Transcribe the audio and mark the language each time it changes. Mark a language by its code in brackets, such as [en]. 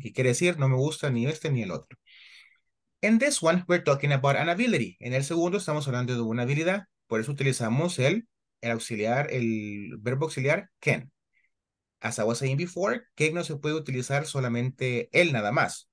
[es] Y quiere decir no me gusta ni este ni el otro. [en] In this one we're talking about an ability. [es] En el segundo estamos hablando de una habilidad. Por eso utilizamos el verbo auxiliar can. [en] As I was saying before, [es] que no se puede utilizar solamente él nada más.